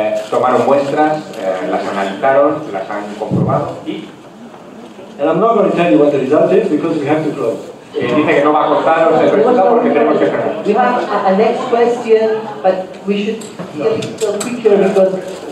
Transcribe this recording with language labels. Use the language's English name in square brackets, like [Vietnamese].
[Spanish] Tomaron muestras, las analizaron, las han comprobado y. [English] And I'm not going to tell you what the result is because we have to close. [Spanish] Dice que no va a contaros el resultado porque tenemos que cerrar. [English] We have a next question, but we should be a little quicker because.